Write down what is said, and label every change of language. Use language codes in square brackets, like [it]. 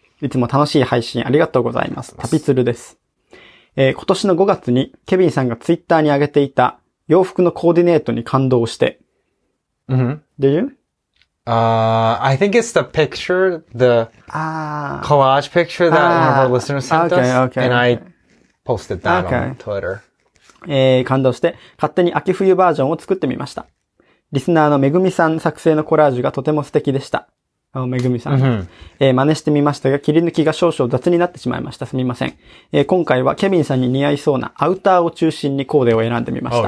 [ja] いつも楽しい配信ありがとうございます。タピツルです。今年の5月にケビンさんがツイッターに上げていた洋服のコーディネートに感動して。 Mm-hmm. [en] Did you? I think it's the picture, the collage picture that one of our listeners sent okay, us. Okay, and I posted that on Twitter. [ja] 感動して勝手に秋冬バージョンを作ってみました。リスナーのめぐみさん作成のコラージュがとても素敵でした。あ、めぐみさん、 mm-hmm. 真似してみましたが切り抜きが少々雑になってしまいました。すみません。今回はケビンさんに似合いそうなアウターを中心にコーデを選んでみました。